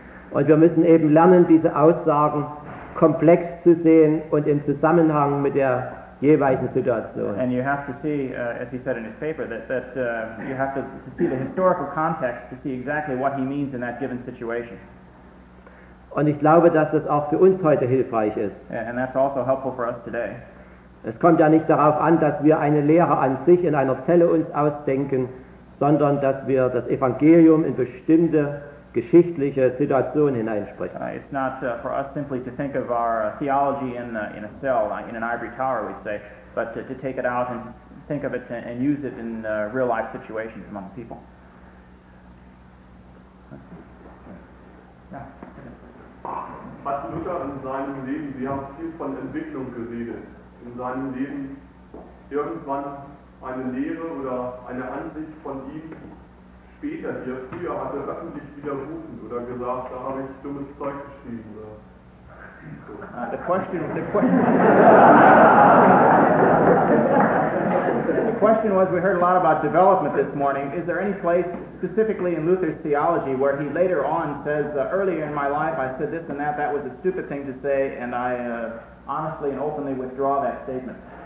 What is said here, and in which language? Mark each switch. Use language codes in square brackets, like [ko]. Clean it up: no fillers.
[de] Und wir müssen eben lernen, diese Aussagen komplex zu sehen und im Zusammenhang mit der jeweiligen Situation. [en] And you have to see, as he said in his paper, that you have to see the historical context to see exactly what he means in that given situation. [de] Und ich glaube, dass das auch für uns heute hilfreich ist. [en] And that's also helpful for us today. [de] Es kommt ja nicht darauf an, dass wir eine Lehre an sich in einer Zelle uns ausdenken, sondern dass wir das Evangelium in bestimmte geschichtliche Situationen hineinsprechen. [en] It's not for us simply to think of our theology in a cell, in an ivory tower, we say, but to take it out and think of it and use it in real life situations among people. Yeah. [de] Martin Luther in seinem Leben, wir haben viel von Entwicklung geredet. In seinem Leben irgendwann eine Lehre oder eine Ansicht von ihm später hier, früher hat er öffentlich widerrufen oder gesagt, da habe ich dummes Zeug geschrieben. Oder? [en] The question was, we heard a lot about development this morning. Is there any place specifically in Luther's theology where he later on says, earlier in my life I said this and that, that was a stupid thing to say, and I honestly and openly withdraw that statement?